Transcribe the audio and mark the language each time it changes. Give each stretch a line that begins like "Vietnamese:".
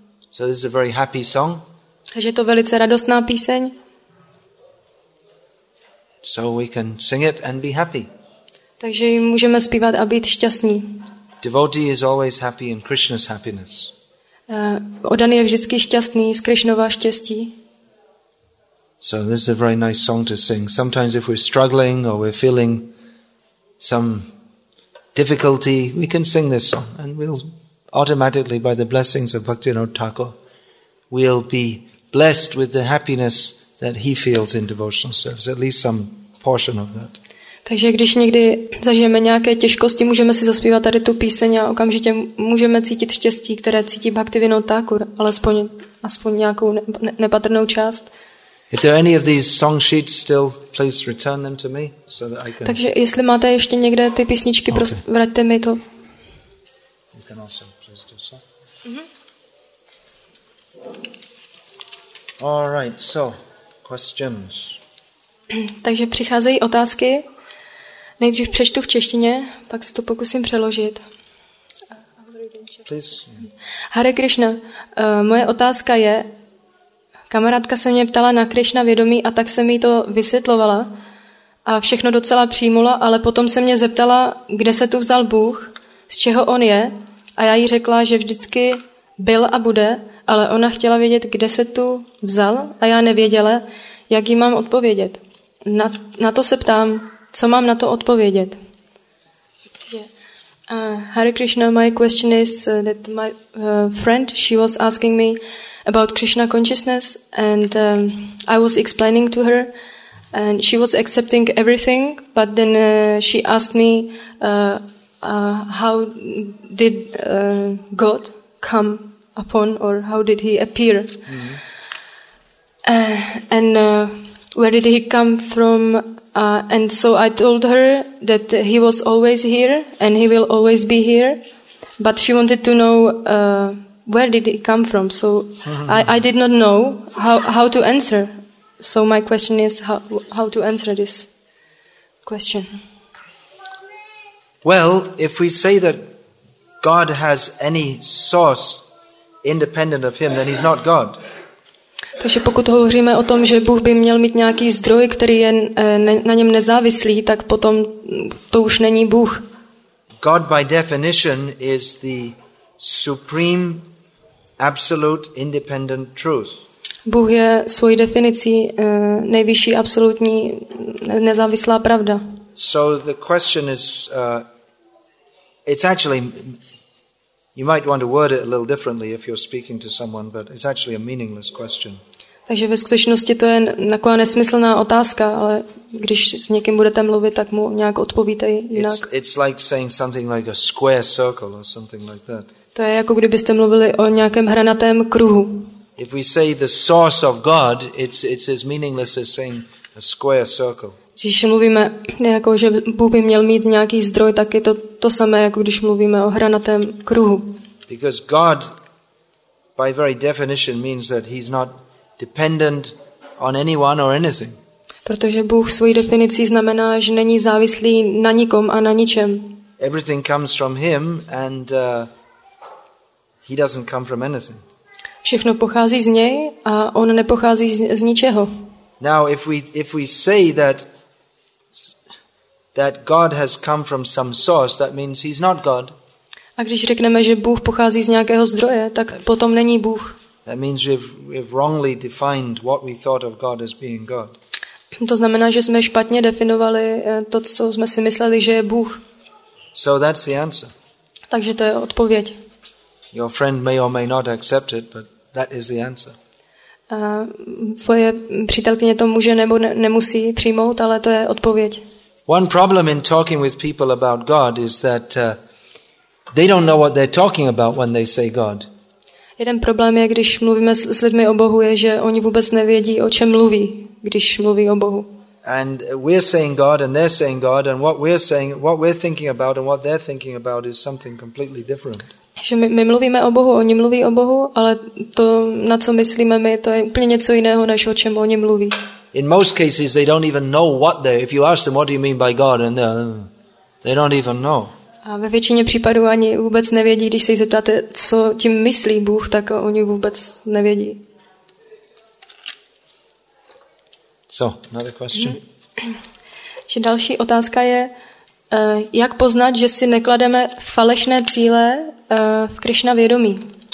English: So this is a very happy song.
Czech: Takže je to velice radostná píseň.
English: So we can sing it and be happy.
Czech: Takže můžeme zpívat a být šťastní.
English: Devotee is always happy in Krishna's happiness.
Czech: Oddaný je vždycky šťastný z Krishnova štěstí.
English: So this is a very nice song to sing. Sometimes if we're struggling or we're feeling some difficulty, we can sing this song and we'll automatically, by the blessings of Bhaktivinoda Thakur, we'll be blessed with the happiness that he feels in devotional service, at least some portion of that.
Czech: Takže když někdy zažijeme nějaké těžkosti, můžeme si zaspívat tady tu píseň a okamžitě můžeme cítit štěstí, které cítí Bhaktivinoda Thakur, aspoň nějakou nepatrnou část.
English: If there are any of these song sheets still, please return them to me so that I can.
Czech: Takže jestli máte ještě někde ty písničky, okay. Prosím, vraťte mi to.
English: You can also please do so. All right, so questions.
Czech: Takže přicházejí otázky. Nejdřív přečtu v češtině, pak se to pokusím přeložit. Please. Hare Krishna, moje otázka je. Kamarádka se mě ptala na Krishna vědomí a tak jsem jí to vysvětlovala a všechno docela přijmula, ale potom se mě zeptala, kde se tu vzal Bůh, z čeho on je a já jí řekla, že vždycky byl a bude, ale ona chtěla vědět, kde se tu vzal a já nevěděla, jak jí mám odpovědět. Na to se ptám, co mám na to odpovědět.
English: Hare Krishna, my question is that my friend, she was asking me about Krishna consciousness, and I was explaining to her, and she was accepting everything, but then she asked me, how did God come upon, or how did he appear? Mm-hmm. Where did he come from? And so I told her that he was always here, and he will always be here, but she wanted to know, where did it come from? So I did not know how to answer. So my question is how to answer this question. Well, if we say that God has any source independent of him, then he's not God.
Czech: Takže pokud hovoříme o tom, že Bůh by měl mít nějaký zdroj, který je na něm nezávislý, tak potom to už není Bůh.
English: God by definition is the supreme absolute independent truth.
Czech: Bůh je svojí definicí nejvyšší absolutní nezávislá pravda.
English: So the question is it's actually you might want to word it a little differently if you're speaking to someone, but it's actually a meaningless question.
Czech: Takže ve skutečnosti to je taková nesmyslná otázka, ale když s někým budete mluvit, tak mu nějak odpovíte jinak.
English: It's like saying something like a square circle or something like that.
Czech: To je jako kdybyste mluvili o nějakém hranatém kruhu.
English: If we say the source of God, it's as meaningless as saying a square circle.
Czech: Když mluvíme jako že Bůh by měl mít nějaký zdroj, tak je to samé jako když mluvíme o hranatém kruhu.
English: Because God by very definition means that he's not dependent on anyone or anything.
Czech: Protože Bůh svojí definicí znamená, že není závislý na nikom a na ničem.
English: Everything comes from him and he doesn't come from anything.
Czech: Všechno pochází z něj a on nepochází z ničeho.
English: Now if we say that God has come from some source, that means he's not God.
Czech: A když řekneme, že Bůh pochází z nějakého zdroje, tak potom není Bůh.
English: That means we've wrongly defined what we thought of God as being God.
Czech: To znamená, že jsme špatně definovali to, co jsme si mysleli, že je Bůh.
English: So that's the answer.
Czech: Takže to je odpověď.
English: Your friend may or may not accept it, but that is the answer.
Czech: Tvoje přítelkyně to může nebo nemusí přijmout, ale to je odpověď.
English: One problem in talking with people about God is that they don't know what they're talking about when they say God.
Czech: Jeden problém je, když mluvíme s lidmi o Bohu, je, že oni vůbec nevědí, o čem mluví, když mluví o Bohu.
English: And we're saying God and they're saying God and what we're saying, what we're thinking about and what they're thinking about is something completely different.
Czech: Že my mluvíme o Bohu, oni mluví o Bohu, ale to, na co myslíme my, to je úplně něco jiného, než o čem oni mluví.
English: In most cases they don't even know what they, if you ask them what do you mean by God and they don't even know.
Czech: A ve většině případů ani vůbec nevědí, když se jí zeptáte, co tím myslí Bůh, tak oni vůbec nevědí.
English: So, another question.
Czech: Že další otázka je, Jak poznat, že si neklademe falešné cíle v Krišna vědomí?